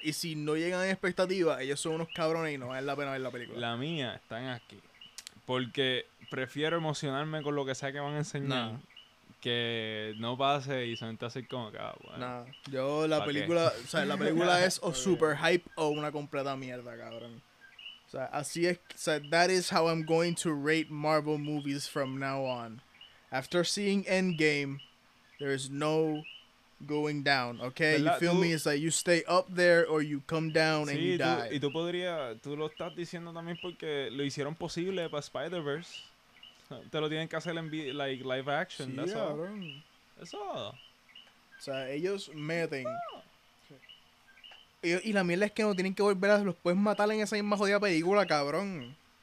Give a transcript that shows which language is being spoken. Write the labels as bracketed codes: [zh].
[es] Y si no llegan a expectativa, ellos son unos cabrones y no vale la pena ver la película. La mía está en aquí. Porque prefiero emocionarme con lo que sea que van a enseñar. No. Que no pase y se entra así como acá, bueno. Nah, yo la película, qué? O sea, la película es o super hype o una completa mierda, cabrón. O sea, así es, o sea, [en] that is how I'm going to rate Marvel movies from now on. After seeing Endgame, there is no going down, okay? [es] ¿Verdad? [en] You feel me? It's like you stay up there or you come down, [es] sí, [en] and you [es] tú, [en] die. [es] Y tú podrías, tú lo estás diciendo también porque lo hicieron posible para Spider-Verse. Te lo tienen que hacer en [en] like live action, [es] sí, [en] that's all. That's all. [es] O sea, ellos meten. Y la mierda es que no tienen que volver a... Los puedes matar en esa misma jodida película, cabrón.